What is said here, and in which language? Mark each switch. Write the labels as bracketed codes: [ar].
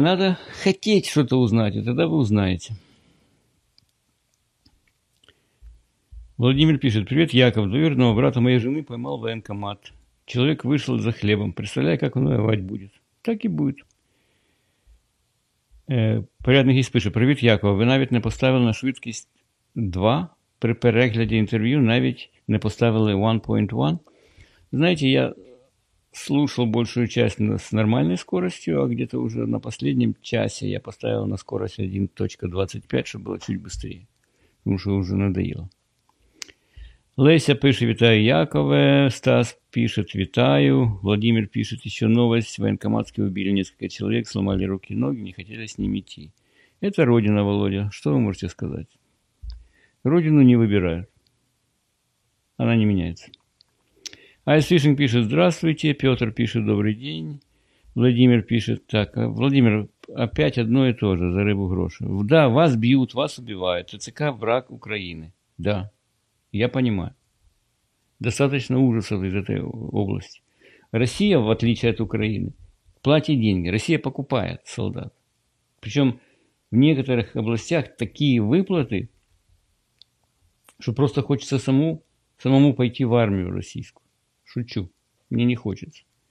[ru] Надо хотеть что-то узнать, и тогда вы узнаете. Владимир пишет. Привет, Яков. Двоюродного брата моей жены поймал военкомат. Человек вышел за хлебом. Представляю, как он воевать будет. Так и будет. [uk] Порядный гість пише. Привіт, Якова. Ви навіть не поставили на швидкість 2 при перегляді інтерв'ю, навіть не поставили 1.1. Знаєте, я слухав більшу частину з нормальною скоростю, а где-то вже на останньому часі я поставив на скорость 1.25, щоб було чуть швидше, тому що вже надоїло. Леся пише, вітаю, Якове. Стас пише, вітаю. Владимир пише, ще новость. Воєнкоматські вбили несколько чоловік, сломали руки, ноги, не хотіли з ними йти. Це родина, Володя. Що ви можете сказати? Родину не вибирають. Вона не міняється. Айс Фішинг пише, здравствуйте. Петр пише, добрий день. Владимир пише, так, Владимир, опять одно і то же, за рибу гроші. Да, вас б'ють, вас убивають. [ru] ТЦК – враг України. Да. Я понимаю. Достаточно ужасов из этой области. Россия, в отличие от Украины, платит деньги. Россия покупает солдат. Причем в некоторых областях такие выплаты, что просто хочется самому пойти в армию российскую. Шучу. Мне не хочется.